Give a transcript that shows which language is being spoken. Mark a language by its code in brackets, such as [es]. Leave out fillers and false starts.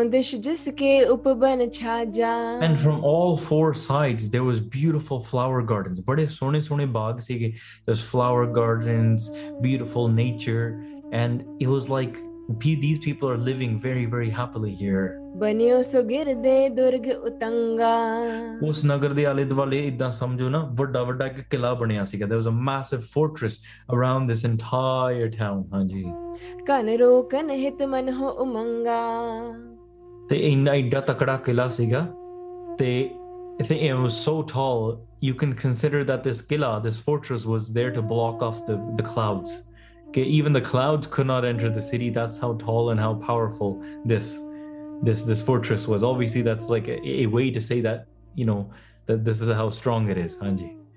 [en] And from all four sides, there was beautiful flower gardens. There's flower gardens, beautiful nature. And it was like, these people are living very, very happily here. [pa] ਬਨਿਓ ਸੁਗਿਰ ਦੇ ਦੁਰਗ ਉਤੰਗਾ ਉਸ ਨਗਰ ਦੇ ਆਲੇ ਦੁਆਲੇ ਇਦਾਂ ਸਮਝੋ ਨਾ ਵੱਡਾ ਵੱਡਾ ਇੱਕ ਕਿਲਾ ਬਣਿਆ ਸੀਗਾ [en] there was a massive fortress around this entire town [pa] ਹਾਂਜੀ ਕਨ ਰੋਕਨ ਹਿਤ ਮਨ ਹੋ ਉਮੰਗਾ ਤੇ ਇੰਨਾ ਇੱਡਾ ਤਕੜਾ ਕਿਲਾ ਸੀਗਾ ਤੇ ਇਥੇ [en] it was so tall you can consider that this kila this fortress was there to block off the clouds okay even the clouds could not enter the city that's how tall and how powerful this fortress was obviously that's like a way to say that you know that this is how strong it is hanji